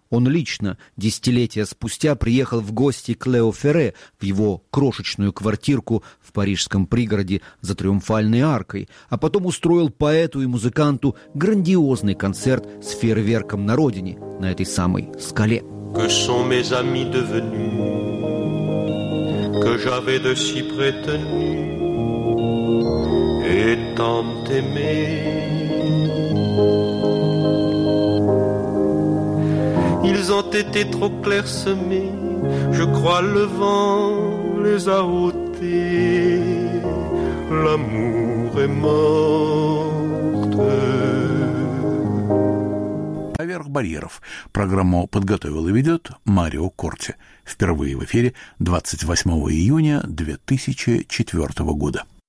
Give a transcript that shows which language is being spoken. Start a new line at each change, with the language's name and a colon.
Russian: Он лично, десятилетия спустя, приехал в гости к Лео Ферре в его крошечную квартирку в парижском пригороде за Триумфальной аркой, а потом устроил поэту и музыканту грандиозный концерт с фейерверком на родине, на этой самой скале.
French: Que sont mes amis devenus, que j'avais de si prétenu, et tant aimé. Ils ont été trop clairsemés, je crois le vent les a ôtés, l'amour est mort.
Russian: «Поверх барьеров». Программу подготовил и ведет Марио Корти. Впервые в эфире 28 июня 2004 года.